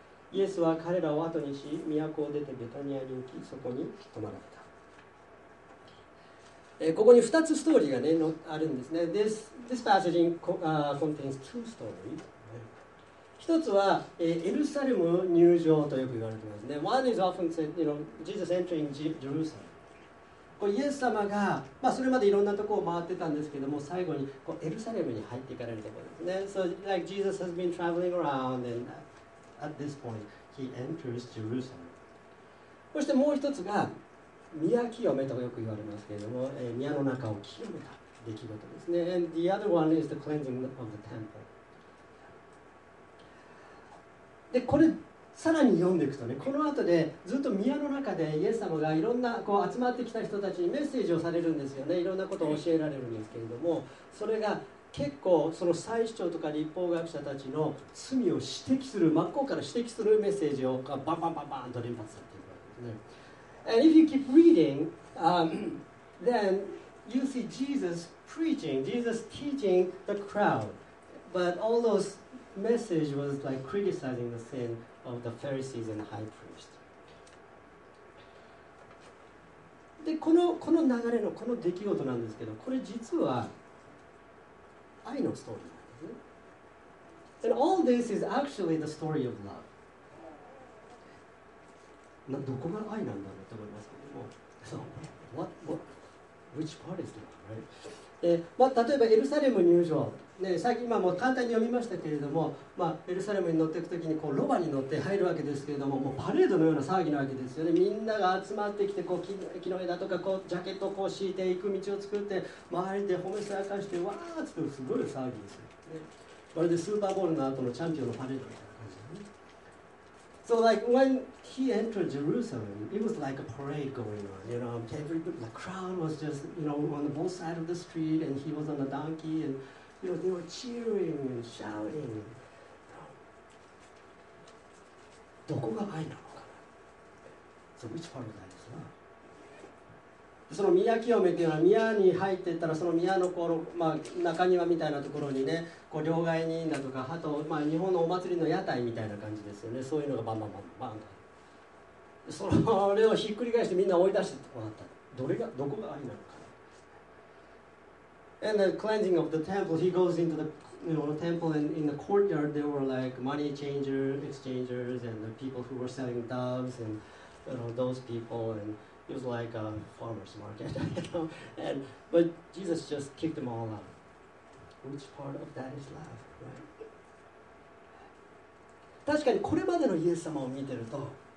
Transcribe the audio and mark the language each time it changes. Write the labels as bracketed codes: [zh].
[ja] イエスは彼らを後にし、都を出てベタニアに行き、そこに泊まられた。ここに2つストーリーが、ね、のあるんですね。 [en] This passage contains two stories. [ja] 一つは、エルサレム入城とよく言われてますね。 [en] One is often said, you know, Jesus entering Jerusalem. [ja] これイエス様が、まあ、それまでいろんなところを回ってたんですけども、最後にこうエルサレムに入っていかれるところですね。 [en] So like Jesus has been traveling around and at this point he enters Jerusalem. [ja] そしてもう一つが宮清めとよく言われますけれども、宮の中を清めた出来事ですね。 [en] And the other one is the cleansing of the temple. [ja] でこれさらに読んでいくとね、この後でずっと宮の中でイエス様がいろんなこう集まってきた人たちにメッセージをされるんですよね。いろんなことを教えられるんですけれども、それが結構その祭司長とか律法学者たちの罪を指摘する、真っ向から指摘するメッセージをバンバンバンバンバンと連発されていくわけですね。 [en] And if you keep reading, then you see Jesus preaching, Jesus teaching the crowd. But all those messages was like criticizing the sin of the Pharisees and the high priest. [ja] で、この流れのこの出来事なんですけど、これ実は愛のストーリーなんですね。 [en] And all this is actually the story of love. [ja] どこが愛なんだろうと思いますけども、 [en] So what which part is love, right? [ja] で、まあ、例えばエルサレム入場、ね、さっき今も簡単に読みましたけれども、まあ、エルサレムに乗っていくときにこうロバに乗って入るわけですけれど も, もうパレードのような騒ぎなわけですよね。みんなが集まってきてこう木の枝とかこうジャケットをこう敷いていく道を作って周りで褒めさやかしてわーっとすごい騒ぎですよ、ね、まるでスーパーボールの後のチャンピオンのパレードみたいな感じですね。 [en] So like when he entered Jerusalem, it was like a parade going on, you know. The crowd was just, you know, on the both sides of the street, and he was on the donkey, and you know, they were cheering and shouting. [ja] どこが愛なのかな? [en] So which part of that is love? [ja] その宮清めっていうのは宮に入っていったらその宮のこう、まあ、中庭みたいなところにねこう両替人だとかあと、まあ、日本のお祭りの屋台みたいな感じですよねそういうのがバンバンバンバンとそれをひっくり返してみんな追い出してもらったどれがどこが愛なのかな [en] And the cleansing of the temple, he goes into the, you know, the temple and in the courtyard there were like money changers, exchangers and the people who were selling doves and you know, those people andIt was like a farmer's market, you know. And, but Jesus just kicked them all out. Which part of that is love, right? [ja] 確かにこれまでのイエス様を見てると、